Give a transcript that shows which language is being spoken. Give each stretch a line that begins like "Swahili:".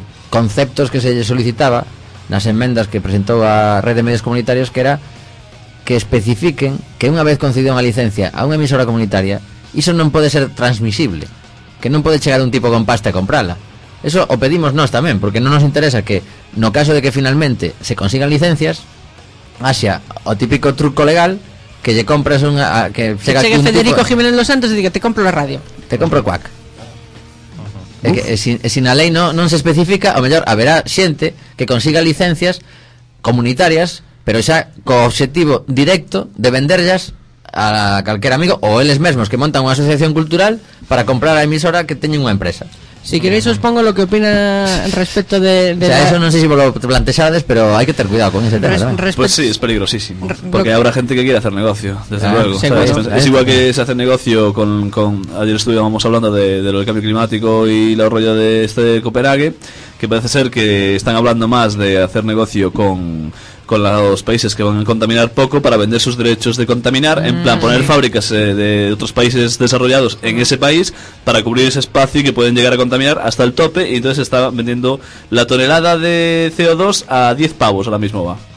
Spanish: conceptos que se solicitaba, las enmiendas que presentó a Red de Medios Comunitarios, que era que especifiquen que una vez concedida una licencia a una emisora comunitaria, eso no puede ser transmisible, que no puede llegar un tipo con pasta a comprarla. Eso o pedimos nos también, porque no nos interesa que, no caso de que finalmente se consigan licencias, haya o típico truco legal que le compras una, que llega un Federico tipo, Jiménez Los Santos, y diga, te compro la radio, te compro Quack.
Galician: É que, sin a lei non se especifica, o mellor haberá xente que consiga licencias comunitarias, pero xa co obxectivo directo de venderlas a calquera amigo ou eles mesmos que montan unha asociación cultural para comprar a emisora que teñen unha empresa.
Spanish: Si queréis os pongo lo que opina respecto de o sea, la...
Galician: eso non sei se vos lo plantexades, pero hai que ter cuidado con ese tema.
Spanish: Pues sí, es peligrosísimo, porque habrá gente que quiere hacer negocio, desde luego. Es igual que se hace negocio con ayer estuvimos hablando de lo del cambio climático y el rollo de este de Copenhague, que parece ser que están hablando más de hacer negocio con los países que van a contaminar poco para vender sus derechos de contaminar, en plan poner fábricas de otros países desarrollados en ese país para cubrir ese espacio que pueden llegar a contaminar hasta el tope, y entonces está vendiendo la tonelada de CO2 a 10 pavos ahora mismo va.